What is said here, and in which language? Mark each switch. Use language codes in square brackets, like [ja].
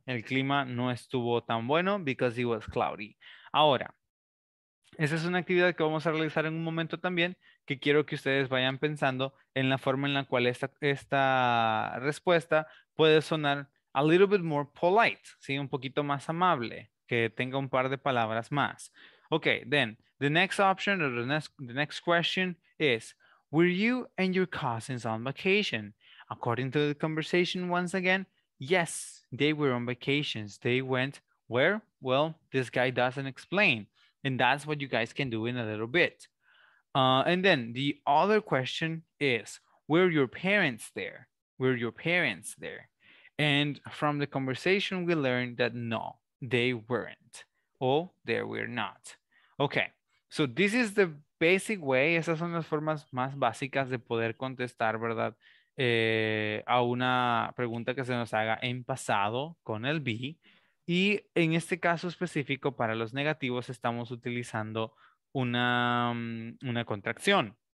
[es] El clima no estuvo tan bueno [en] because it was cloudy. [es] Ahora, esa es una actividad que vamos a realizar en un momento también, que quiero que ustedes vayan pensando en la forma en la cual esta respuesta puede sonar [en] a little bit more polite, [es] ¿sí? Un poquito más amable, que tenga un par de palabras más. [en] Okay, then, the next option or the next question is, were you and your cousins on vacation? According to the conversation once again, yes, they were on vacations. They went where? Well, this guy doesn't explain. And that's what you guys can do in a little bit. And then the other question is, were your parents there? Were your parents there? And from the conversation, we learned that no, they weren't. Oh, there were not. Okay, so this is the basic way. [es] Esas son las formas más básicas de poder contestar, ¿verdad? A una pregunta que se nos haga en pasado con el be. Y en este caso específico, para los negativos, estamos utilizando una contracción.